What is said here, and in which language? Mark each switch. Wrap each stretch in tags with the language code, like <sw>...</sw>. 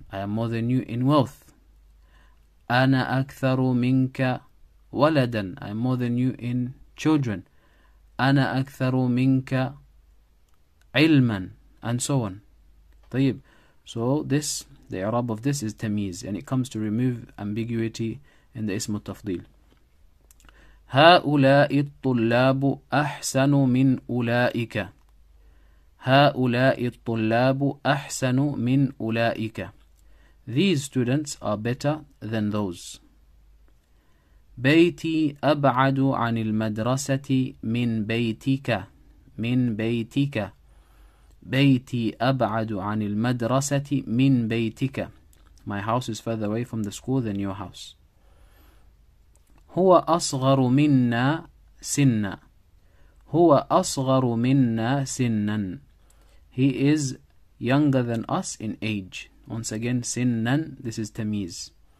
<en>I am more than you in wealth.</en> <ar>Ana aktharu minka waladan.</ar> <en>I am more than you in children.</en> <ar>Ana aktharu minka ilman.</ar> <en>And so on.</en> <ar>طيب.</ar> <en>So this, the i'rab of this is tamiz, and it comes to remove ambiguity in the ism al-tafdil.</en> <ar>هؤلاء الطلاب أحسن من أولئك. هؤلاء الطلاب أحسن من أولئك.</ar> <en>These students are better than those.</en> <ar>بيتي أبعد عن المدرسة من بيتك. من بيتك. بيتي أبعد عن المدرسة من بيتك.</ar> <en>My house is further away from the school than your house.</en> <ar>هو أصغر منا سنا. هو أصغر منا سنا.</ar> <en>He is younger than us in age. Once again, sinnan, this is tamiz.</en>